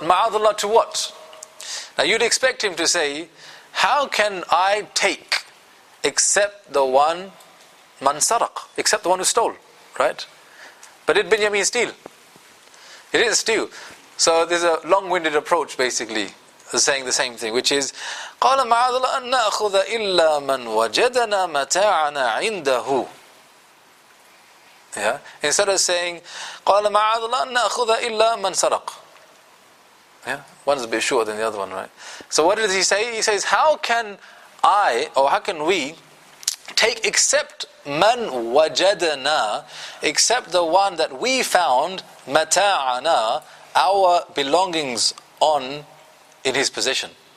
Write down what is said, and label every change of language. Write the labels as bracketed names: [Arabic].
[English] Ma'adallah to what? Now you'd expect him to say, how can I take except the one man saraq, except the one who stole, right? But did Binyamin steal? He didn't steal. So there's a long-winded approach basically, saying the same thing, which is [Arabic] قَالَ مَعَذَلَّ أَنْ نَأْخُذَ إِلَّا مَنْ وَجَدَنَا مَتَاعَنَا عِنْدَهُ. [English] Yeah, instead of saying [Arabic] قَالَ مَعَذَلَّ أَنْ نَأْخُذَ إِلَّا مَنْ سَرَقْ. [English] Yeah, one's a bit shorter than the other one, right? So what does he say? He says, how can I, or how can we, take except man wajadana, except the one that we found, mata'ana, our belongings on, in his possession?